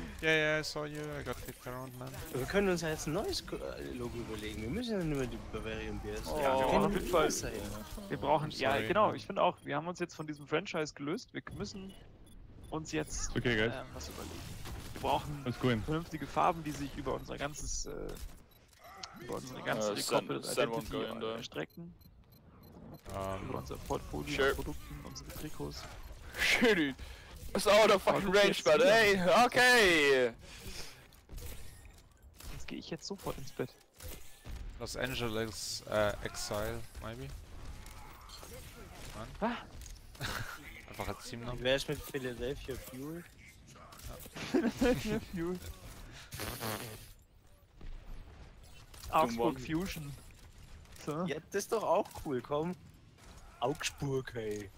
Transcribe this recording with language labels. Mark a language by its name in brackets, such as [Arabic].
[English] Yeah, I saw you, I got kicked around, man. [German] Wir können uns ja jetzt ein neues Logo überlegen, wir müssen ja nur mehr die Bavarian Bears. Oh, ja, wir brauchen auf jeden Fall. Wir brauchen, ja, sorry, genau, man. Ich finde auch, wir haben uns jetzt von diesem Franchise gelöst, wir müssen uns jetzt was überlegen. Wir brauchen vernünftige Farben, die sich über unser ganzes, über unsere ganze Corporate Identity erstrecken. Über unser Portfolio, sure. Produkten, unsere Trikots. [English] Shit, dude. It's out of fucking range, but hey, okay! [German] Jetzt geh ich jetzt sofort ins Bett. [English] Los Angeles Exile, maybe? [German] Mann? Ah. Einfach ein Teamnamen. Wer ist mit Philadelphia Fuel? Philadelphia Fuel. Augsburg Fusion. So? Ja, das ist doch auch cool, komm. Augsburg, hey.